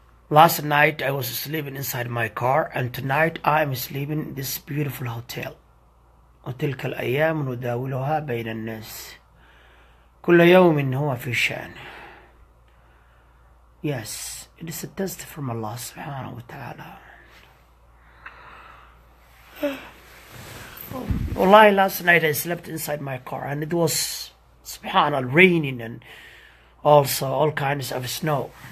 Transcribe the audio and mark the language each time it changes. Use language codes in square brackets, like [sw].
[en] Last night I was sleeping inside my car and tonight I am sleeping in this beautiful hotel. [ar] وتلك الأيام نداولها بين الناس كل يوم هو في شأن. [en] Yes, it is a test from Allah subhanahu wa ta'ala. Wallahi, last night I slept inside my car and it was subhanallah raining and also all kinds of snow.